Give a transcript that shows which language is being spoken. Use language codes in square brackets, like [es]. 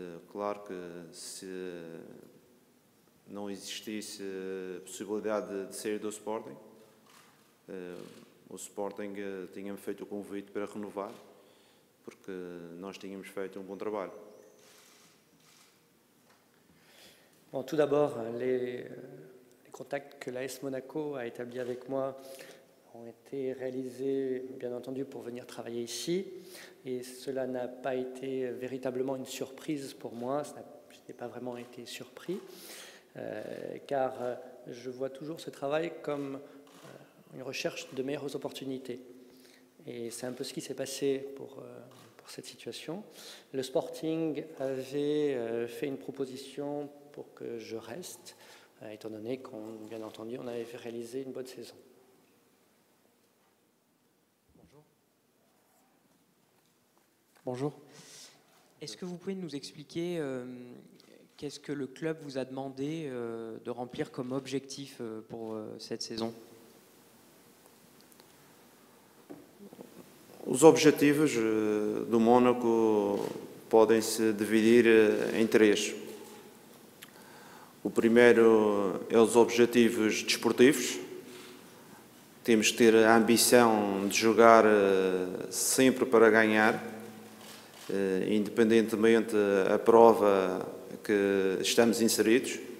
[pt] Claro que se não existisse possibilidade de sair do Sporting. O Sporting tinha-me feito o convite para renovar, porque nós tínhamos feito um bom trabalho. [fr] Bom, tout d'abord, les contacts que l'AS Monaco a établi avec moi ont été réalisés, bien entendu, pour venir travailler ici. Et cela n'a pas été véritablement une surprise pour moi. Je n'ai pas vraiment été surpris. Car je vois toujours ce travail comme une recherche de meilleures opportunités. Et c'est un peu ce qui s'est passé pour cette situation. Le Sporting avait fait une proposition pour que je reste, étant donné qu'on, bien entendu, on avait réalisé une bonne saison. Bonjour. Bonjour. Est-ce que vous pouvez nous expliquer qu'est-ce que le club vous a demandé de remplir comme objectif pour cette saison? [pt] Os objetivos do Mónaco podem se dividir em três. O primeiro é os objetivos desportivos. Temos que ter a ambição de jogar sempre para ganhar, independentemente da prova que estamos inseridos.